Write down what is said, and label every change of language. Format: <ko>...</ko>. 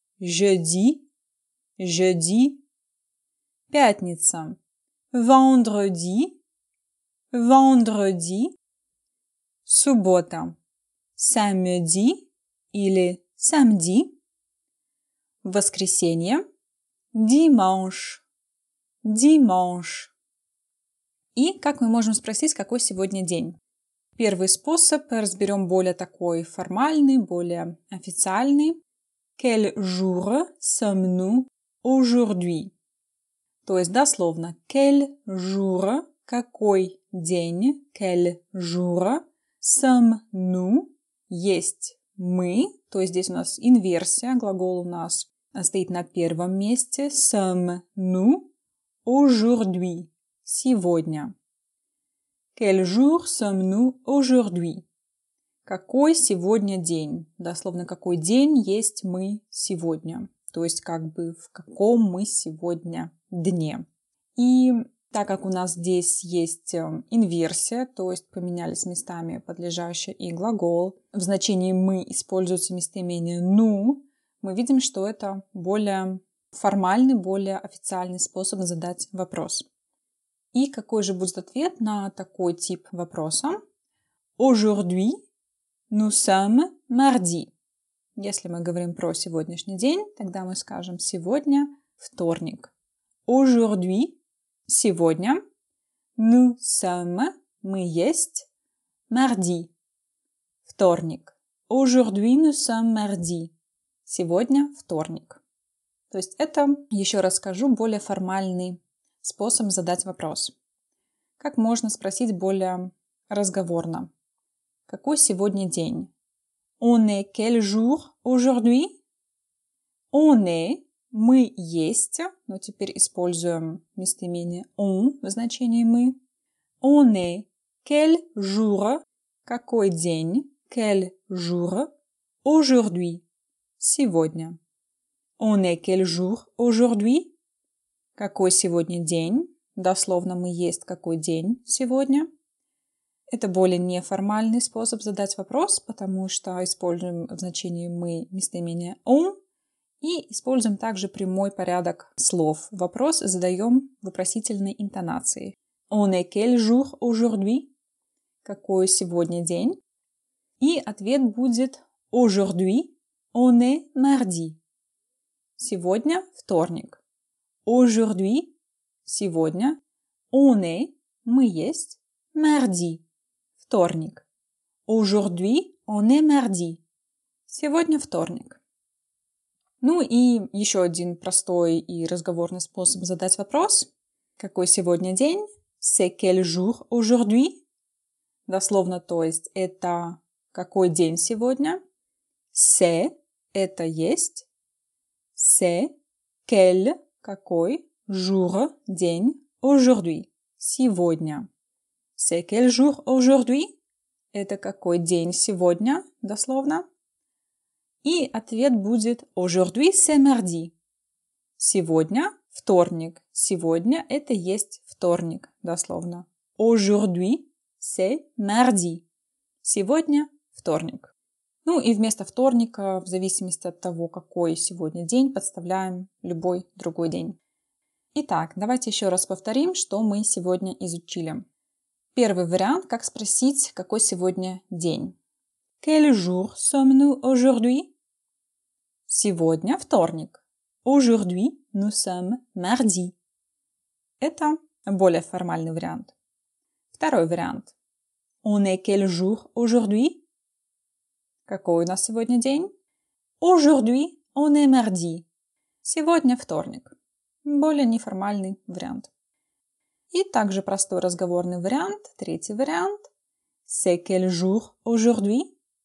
<fr>Jeudi, jeudi,</fr> <ru>пятница,</ru> <fr>vendredi, vendredi,</fr> <ru>суббота,</ru> <fr>samedi</fr> <ru>или</ru> <fr>samedi,</fr> <ru>воскресенье,</ru> <fr>dimanche, dimanche.</fr> <ru>И как мы можем спросить, какой сегодня день? Первый способ разберем более такой формальный, более официальный.</ru> <fr>Quel jour sommes-nous aujourd'hui?</fr> <ru>То есть дословно,</ru> <fr>quel jour,</fr> <ru>какой день,</ru> <fr>quel jour sommes-nous,</fr> <ru>есть мы, то есть здесь у нас инверсия, глагол у нас стоит на первом месте,</ru> <fr>sommes-nous aujourd'hui,</fr> <ru>сегодня.</ru> <fr>Quel jour sommes-nous aujourd'hui?</fr> <ru>Какой сегодня день? Дословно, какой день есть мы сегодня? То есть, как бы, в каком мы сегодня дне? И так как у нас здесь есть инверсия, то есть поменялись местами подлежащее и глагол, в значении «мы» используется местоимение «ну», мы видим, что это более формальный, более официальный способ задать вопрос. И какой же будет ответ на такой тип вопроса?</ru> <fr>Aujourd'hui. Nous sommes mardi.</fr> <ru>Если мы говорим про сегодняшний день, тогда мы скажем сегодня вторник.</ru> <fr>Aujourd'hui,</fr> <ru>сегодня.</ru> <fr>Nous sommes,</fr> <ru>мы есть,</ru> <fr>mardi,</fr> <ru>вторник.</ru> <fr>Aujourd'hui, nous sommes mardi.</fr> <ru>Сегодня вторник. То есть это, еще раз скажу, более формальный способ задать вопрос. Как можно спросить более разговорно? Какой сегодня день?</ru> <fr>On est quel jour aujourd'hui? On est,</fr> <ru>мы есть, но теперь используем местоимение on в значении мы.</ru> <fr>On est quel jour,</fr> <ru>какой день,</ru> <fr>quel jour aujourd'hui,</fr> <ru>сегодня.</ru> <fr>On est quel jour aujourd'hui?</fr> <ru>Какой сегодня день? Дословно, мы есть, какой день сегодня? Это более неформальный способ задать вопрос, потому что используем в значении «мы» местоимение «он» и используем также прямой порядок слов. Вопрос задаем в вопросительной интонации.</ru> <fr>«On est quel jour aujourd'hui?»</fr> <ru>«Какой сегодня день?» И ответ будет</ru> <fr>«Aujourd'hui, on est mardi».</fr> <ru>«Сегодня вторник».</ru> <fr>«Aujourd'hui,</fr> <ru>сегодня,</ru> <fr>on est,</fr> <ru>мы есть,</ru> <fr>mardi».</fr> <ru>Вторник.</ru> <fr>Aujourd'hui, on est mardi.</fr> <ru>Сегодня вторник. Ну и еще один простой и разговорный способ задать вопрос. Какой сегодня день?</ru> <fr>C'est quel jour aujourd'hui?</fr> <ru>Дословно, то есть, это какой день сегодня?</ru> <fr>C'est,</fr> <ru>это есть.</ru> <fr>C'est quel,</fr> <ru>какой,</ru> <fr>jour,</fr> <ru>день,</ru> <fr>aujourd'hui,</fr> <ru>сегодня.</ru> <fr>C'est quel jour aujourd'hui?</fr> <ru>Это какой день сегодня, дословно. И ответ будет</ru> <fr>aujourd'hui c'est mardi.</fr> <ru>Сегодня вторник. Сегодня это есть вторник, дословно.</ru> <fr>Aujourd'hui c'est mardi.</fr> <ru>Сегодня вторник. Ну и вместо вторника, в зависимости от того, какой сегодня день, подставляем любой другой день. Итак, давайте еще раз повторим, что мы сегодня изучили. Первый вариант, как спросить, какой сегодня день.</ru> <fr>Quel jour sommes-nous aujourd'hui?</fr> <ru>Сегодня вторник.</ru> <fr>Aujourd'hui nous sommes mardi.</fr> <ru>Это более формальный вариант. Второй вариант.</ru> <fr>On est quel jour aujourd'hui?</fr> <ru>Какой у нас сегодня день?</ru> <fr>Aujourd'hui, on est mardi.</fr> <ru>Сегодня вторник. Более неформальный вариант. И также простой разговорный вариант. Третий вариант.</ru> <fr>C'est quel jour aujourd'hui?</fr>